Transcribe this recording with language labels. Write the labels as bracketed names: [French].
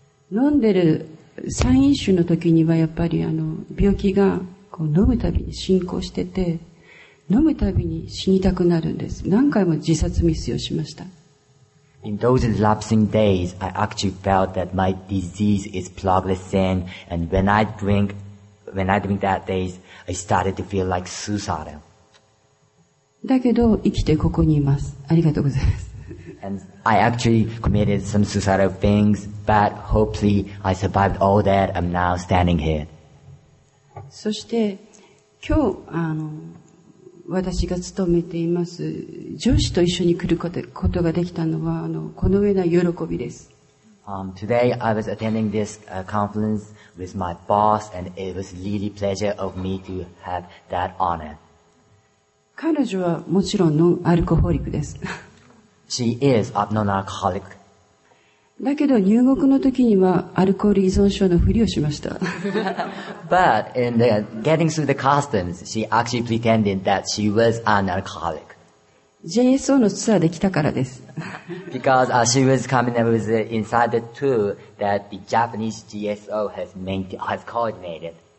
[Japanese] 飲んでる三飲酒の時にはやっぱり病気がこう飲むたびに進行してて、飲むたびに死にたくなるんです。何回も自殺未遂をしました。 [English] In those relapsing days, I actually felt that my disease is progressing, and when I drink that days, I started to feel like suicidal. [Japanese] だけど生きてここにいます。ありがとうございます。 [English] And I actually committed some suicidal things, but hopefully I survived all that. I'm now standing here. [Japanese] そして今日私が勤めています上司と一緒に来ることができたのはこの上ない喜びです。 [English] Today I was attending this conference with my boss and it was really pleasure of me to have that honor. [Japanese] 彼女はもちろんノンアルコホリックです。 [English] She is a non-alcoholic. [Japanese] だけど入国の時にはアルコール依存症のふりをしました。 [English] But in the getting through the customs, she actually pretended that she was an alcoholic. [Japanese] JSO のツアーで来たからです。 [English] Because she was coming up with the inside tour that the Japanese GSO has coordinated.